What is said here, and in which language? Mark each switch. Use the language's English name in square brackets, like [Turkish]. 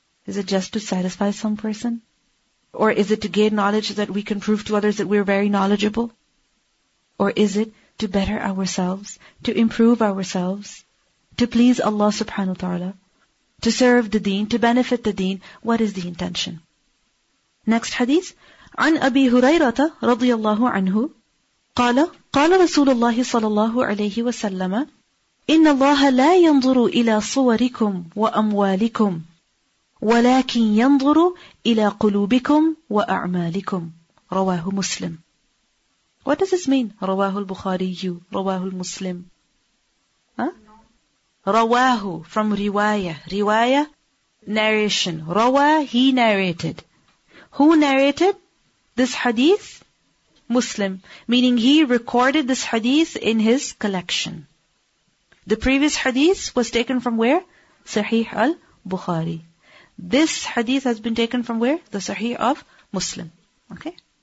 [English] Is it just to satisfy some person? Or is it to gain knowledge that we can prove to others that we're very knowledgeable? Or is it to better ourselves, to improve ourselves, to please Allah subhanahu wa ta'ala, to serve the deen, to benefit the deen? What is the intention? Next hadith. [Arabic] عن أبي هريرة رضي الله عنه قال قال رسول الله صلى الله عليه وسلم إن الله لا ينظر إلى صوركم وأموالكم ولكن ينظر إلى قلوبكم وأعمالكم رواه مسلم. [English] What does this mean? [Arabic] رواه البخاري رواه المسلم. رواه [English] from [Arabic] رواية [English] narration. Rawa, he narrated. Who narrated this hadith? Muslim. Meaning he recorded this hadith in his collection. The previous hadith was taken from where? Sahih al-Bukhari. This hadith has been taken from where? The Sahih of Muslim. Okay?